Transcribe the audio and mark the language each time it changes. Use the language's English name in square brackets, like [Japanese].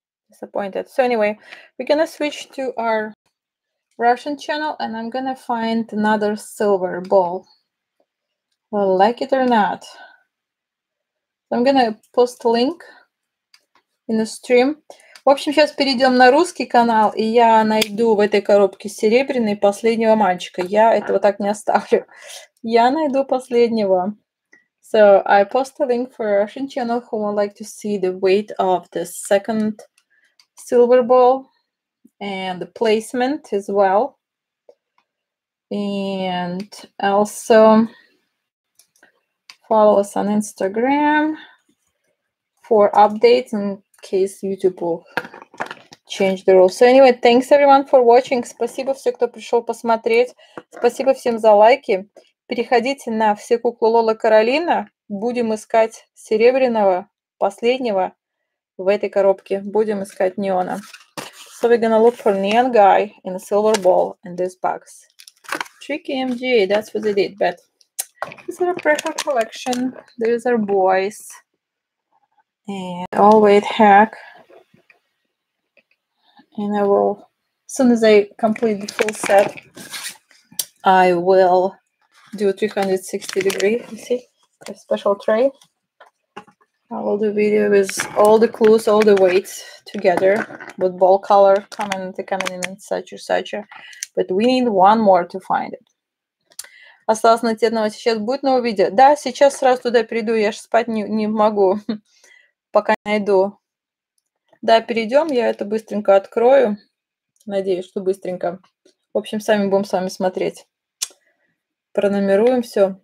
[English] disappointed. So anyway, we're gonna switch to our Russian channel, and I'm gonna find another silver ball. Well, like it or not, I'm gonna post link in the stream. [Russian] В общем, сейчас перейдем на русский канал, и я найду в этой коробке серебряный последнего мальчика. Я этого так не оставлю. Я найду последнего. [English] So I post a link for Russian channel who would like to see the weight of the second silver ball and the placement as well. And also follow us on Instagram for updates in case YouTube will change the rules. So anyway, thanks everyone for watching. [Russian] Спасибо всем, кто пришел посмотреть. Спасибо всем за лайки. Переходите на все куклы Лола Каролина. Будем искать серебряного, последнего в этой коробке. Будем искать неона. [English] So we're gonna look for neon guy in a silver ball in this box. Tricky MG, that's what they did. But this is a pressure collection. These are boys. And all weight hack. And I will, as soon as I complete the full set, I will do 360 degree, you see, a special tray. I will do video with all the clues, all the weights together, with ball color coming in and such and such. But we need one more to find it. [Russian] Осталось найти одного. Сейчас будет новое видео? Да, сейчас сразу туда перейду, я же спать не могу, пока найду. Да, перейдем, я это быстренько открою. Надеюсь, что быстренько. В общем, сами будем с вами смотреть. Пронумеруем все.